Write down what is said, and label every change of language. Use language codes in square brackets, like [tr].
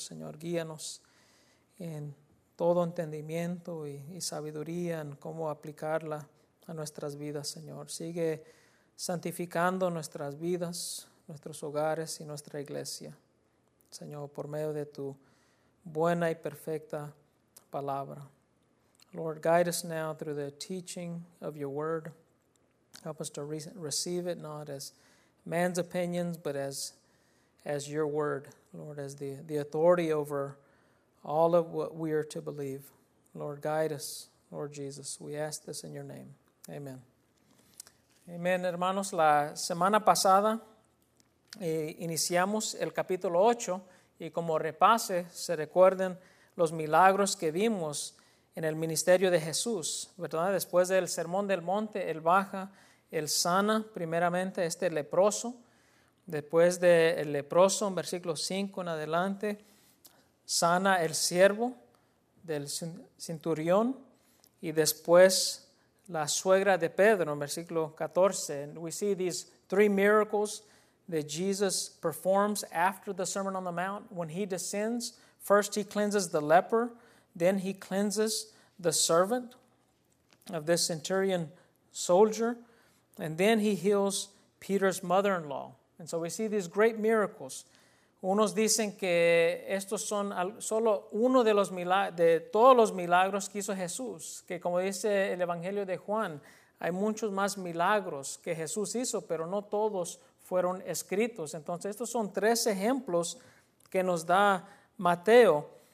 [es] Señor, guíanos en todo entendimiento y sabiduría en cómo aplicarla a nuestras vidas, Señor. Sigue santificando nuestras vidas, nuestros hogares y nuestra iglesia, Señor, por medio de tu buena y perfecta palabra. [en] Lord, guide us now through the teaching of your word. Help us to receive it not as man's opinions, but as your word, Lord, as the authority over all of what we are to believe. Lord, guide us, Lord Jesus. We ask this in your name. Amen. [es] Amén, hermanos. La semana pasada iniciamos el capítulo 8 y como repase, se recuerden los milagros que vimos en el ministerio de Jesús, ¿verdad? Después del Sermón del Monte, Él baja, Él sana primeramente a este leproso. Después del leproso, en versículo 5 en adelante, sana el siervo del centurión y después la suegra de Pedro, en versículo 14. [en] And we see these three miracles that Jesus performs after the Sermon on the Mount. When he descends, first he cleanses the leper, then he cleanses the servant of this centurion soldier, and then he heals Peter's mother-in-law. And so we see these great miracles. [es] Unos dicen que estos son solo uno de los todos los milagros que hizo Jesús. Que como dice el Evangelio de Juan, hay muchos más milagros que Jesús hizo, pero no todos fueron escritos. Entonces estos son tres ejemplos que nos da Mateo.